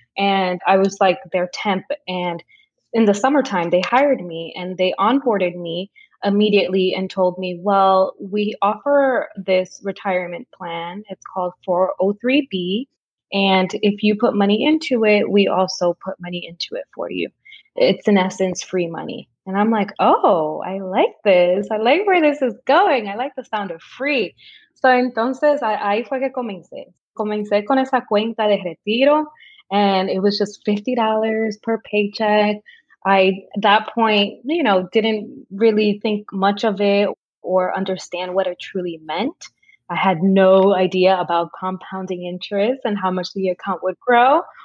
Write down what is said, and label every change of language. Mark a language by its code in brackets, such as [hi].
[en] And I was like their temp. And in the summertime, they hired me and they onboarded me immediately and told me, well, we offer this retirement plan. It's called 403B. And if you put money into it, we also put money into it for you. It's in essence free money. And I'm like, oh, I like this. I like where this is going. I like the sound of free. [es] So entonces, ahí fue que comencé. Comencé con esa cuenta de retiro. [en] And it was just $50 per paycheck. I, at that point, you know, didn't really think much of it or understand what it truly meant. I had no idea about compounding interest and how much the account would grow.